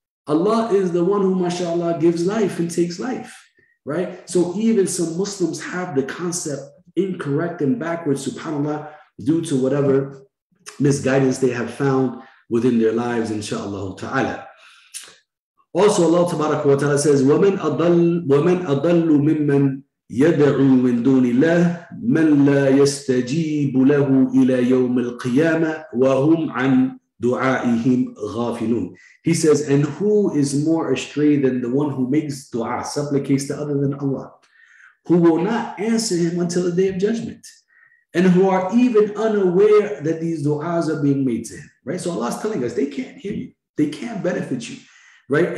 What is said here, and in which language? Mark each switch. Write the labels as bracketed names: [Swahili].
[English] Allah is the one who, mashallah, gives life and takes life. Right? So even some Muslims have the concept incorrect and backwards, subhanAllah, due to whatever misguidance they have found within their lives, inshallah ta'ala. Also, Allah tabarak wa ta'ala says, [Arabic] وَمَنْ أَضَلُّ مِمَّنْ يَدْعُوا مِنْ دُونِ اللَّهِ مَنْ لَا يَسْتَجِيبُ لَهُ إِلَى يَوْمِ الْقِيَامَةِ وَهُمْ عَنْ دُعَائِهِمْ غَافِلُونَ. [English] He says, and who is more astray than the one who makes dua, supplicates to other than Allah, who will not answer him until the day of judgment, and who are even unaware that these du'as are being made to him, right? So Allah's telling us, they can't hear you. They can't benefit you, right?